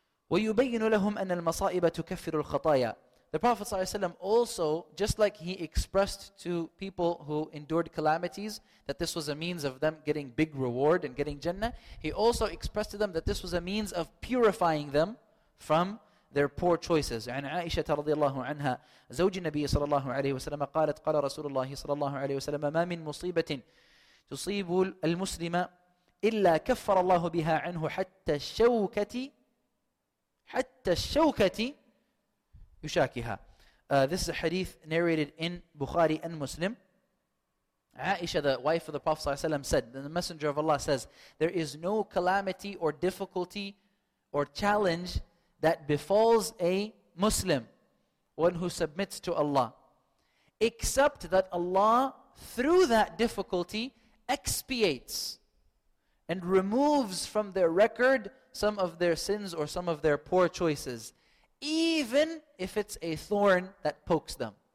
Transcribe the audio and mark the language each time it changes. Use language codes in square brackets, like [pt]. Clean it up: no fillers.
[ar] وَيُبَيِّنُ لَهُمْ أَنَّ الْمَصَائِبَ تُكَفِّرُ الْخَطَايَا. [en] The Prophet ﷺ also, just like he expressed to people who endured calamities that this was a means of them getting big reward and getting Jannah, he also expressed to them that this was a means of purifying them from their poor choices. [ar] And Aisha رضي الله عنها زوج النبي صلى الله عليه وسلم قالت قال رسول الله صلى الله عليه وسلم ما من مصيبة تصيب المسلم إلا كفر الله بها عنه حتى الشوكة يشاكها. [en] This is a hadith narrated in Bukhari and Muslim. Aisha, the wife of the Prophet ﷺ, said, the Messenger of Allah says, there is no calamity or difficulty or challenge that befalls a Muslim, one who submits to Allah, except that Allah, through that difficulty, expiates and removes from their record some of their sins or some of their poor choices, even if it's a thorn that pokes them.